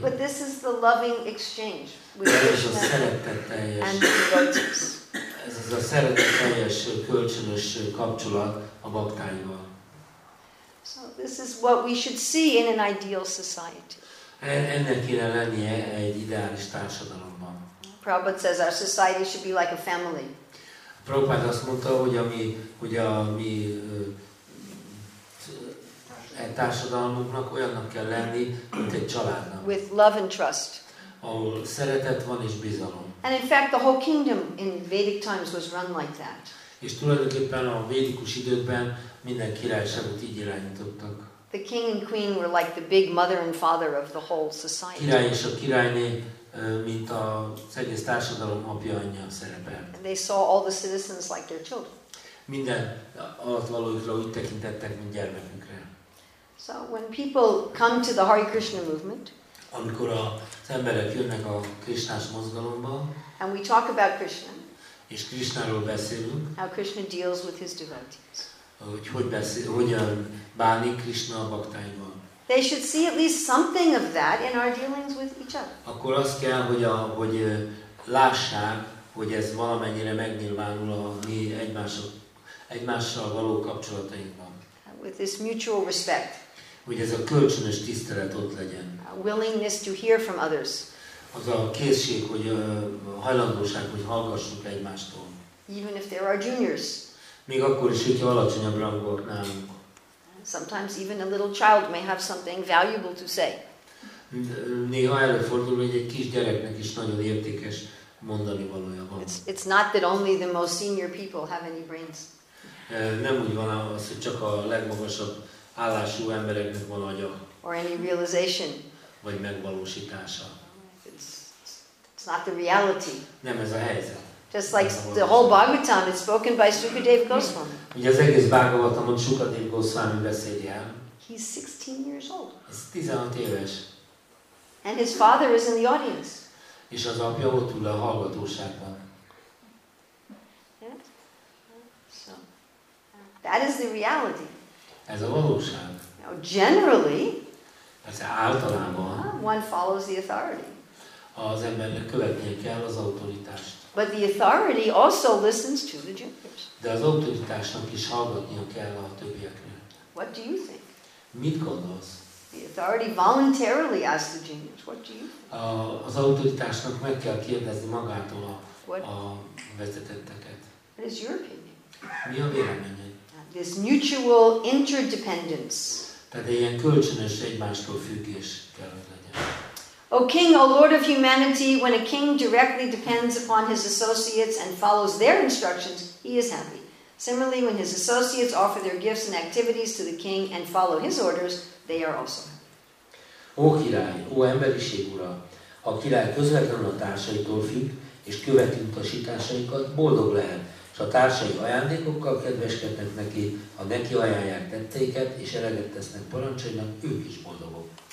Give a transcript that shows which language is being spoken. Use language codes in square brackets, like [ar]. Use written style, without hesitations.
[en] But this is the loving exchange with Krishna. [hu] Ez a szeretetteljes kölcsönös kapcsolat a baktáival. [en] So this is what we should see in an ideal society. [hu] Ennek kéne lennie egy ideális társadalom. [en] Prabhupada says our society should be like a family. [hu] Prabhupada azt mondta, hogy a mi társadalmunknak olyannak kell lenni, mint egy családnak. [en] With love and trust. [hu] Ahol szeretet van és bizalom. [en] And in fact, the whole kingdom in Vedic times was run like that. [hu] És tulajdonképpen a védikus időkben minden királyságot így irányítottak. [en] The king and queen were like the big mother and father of the whole society. [hu] Király és a királyné mint az egész társadalom apja anyja szerepel. [en] They saw all the citizens like their children. [hu] Minden alatt valójukra úgy tekintettek, mint gyermekünkre. [en] So when people come to the Hare Krishna movement, [hu] amikor az emberek jönnek a Krisnás mozgalomba, [en] and we talk about Krishna, [hu] és Krisnáról beszélünk, [en] how Krishna deals with his devotees, [hu] hogyan bánik Krisna a baktáival. [en] They should see at least something of that in our dealings with each other. [hu] Akkor azt kell, hogy lássák, hogy ez valamennyire megnyilvánul a mi egymással való kapcsolatainkban. [en] With this mutual respect. [hu] Hogy ez a kölcsönös tisztelet ott legyen. [en] A willingness to hear from others. [hu] Az a készség, hogy hajlandóság, hogy hallgassuk egymástól. [en] Even if there are juniors. [hu] Még akkor is, hogyha alacsonyabb rangúak nálunk. [en] Sometimes even a little child may have something valuable to say. [hu] Néha előfordul, hogy egy kis gyereknek is nagyon értékes mondani valója van. [en] It's not that only the most senior people have any brains. [hu] Nem úgy van az, hogy csak a legmagasabb állású embereknek van agya. [en] Or any realization. [hu] Vagy megvalósítása. [en] It's not the reality. [hu] Nem ez a helyzet. [en] Just like the whole Bhagavatam is spoken by Sukadeva Goswami. [hu] Ugye az egész Bhagavatamot Sukadev Goswami beszédjel. [en] He's 16 years old. [hu] Ez 16 éves. [en] And his father is in the audience. [hu] És az apja ott ül a hallgatóságban. [en] So, that is the reality. [hu] Ez a valóság. [en] Now, generally, [hu] persze általában, [en] one follows the authority. [hu] Az embernek követnie kell az autoritást. [en] But the authority also listens to the juniors. [hu] De az autoritásnak is hallgatnia kell a többieknek. [en] What do you think? [hu] Mit gondolsz? [en] The authority voluntarily asks the juniors, what do you think? [hu] Az autoritásnak meg kell kérdezni magától a vezetetteket. [en] What is your opinion? [hu] Mi a véleményed? [en] This mutual interdependence. [hu] Tehát ilyen kölcsönös egymástól függés kell legyen. [en] O King, O Lord of humanity, when a king directly depends upon his associates and follows their instructions, he is happy. Similarly, when his associates offer their gifts and activities to the king and follow his orders, they are also happy. [hu] O király, o emberiség ura, a király közvetlenül a társaitól függ, és követi utasításaikat, boldog lehet, és a társai ajándékokkal kedveskednek neki, ha neki ajánlják tetteiket, és eleget tesznek parancsainak, ők is boldogok.